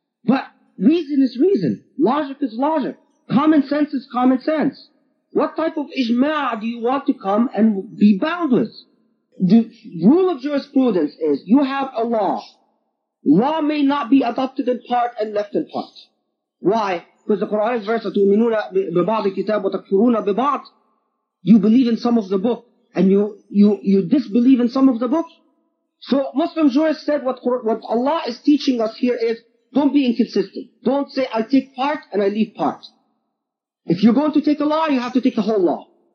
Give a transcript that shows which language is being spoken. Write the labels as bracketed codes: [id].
[en] But reason is reason. Logic is logic. Common sense is common sense. What type of ijma' do you want to come and be bound with? The rule of jurisprudence is, you have a law. Law may not be adopted in part and left in part. Why? Because the Quranic verse, [ar] تُؤْمِنُونَ بِبَعْضِ الْكِتَابِ وَتَكْفُرُونَ بِبَعْضٍ. [en] You believe in some of the book, and you disbelieve in some of the book. So Muslim jurists said what Allah is teaching us here is, don't be inconsistent. Don't say, I take part and I leave part. If you're going to take a law, you have to take the whole law.